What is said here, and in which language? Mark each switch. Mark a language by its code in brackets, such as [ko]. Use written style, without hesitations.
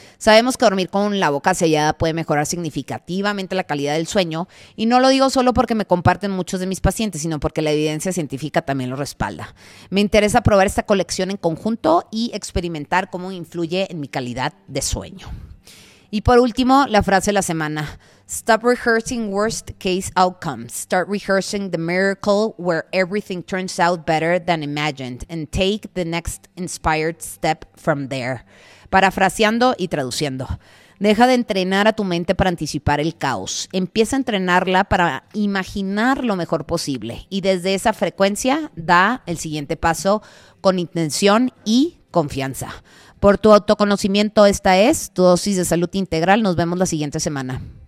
[es] Sabemos que dormir con la boca sellada puede mejorar significativamente la calidad del sueño y no lo digo solo porque me comparten muchos de mis pacientes, sino porque la evidencia científica también lo respalda. Me interesa probar esta colección en conjunto y experimentar cómo influye en mi calidad de sueño. Y por último, la frase de la semana. [en] Stop rehearsing worst case outcomes. Start rehearsing the miracle where everything turns out better than imagined and take the next inspired step from there. [es] Parafraseando y traduciendo. Deja de entrenar a tu mente para anticipar el caos. Empieza a entrenarla para imaginar lo mejor posible. Y desde esa frecuencia, da el siguiente paso con intención y confianza. Por tu autoconocimiento, esta es tu dosis de salud integral. Nos vemos la siguiente semana.